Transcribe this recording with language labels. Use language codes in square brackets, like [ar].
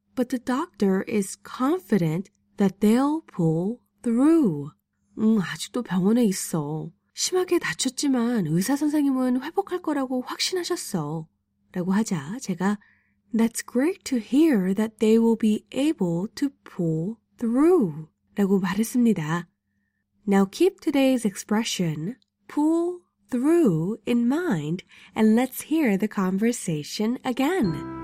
[en] But the doctor is confident that they'll pull through. [ko] 아직도 병원에 있어. 심하게 다쳤지만 의사 선생님은 회복할 거라고 확신하셨어. 라고 하자 제가 [en] That's great to hear that they will be able to pull through. [ko] 라고 말했습니다. [en] Now keep today's expression, pull through in mind, and let's hear the conversation again.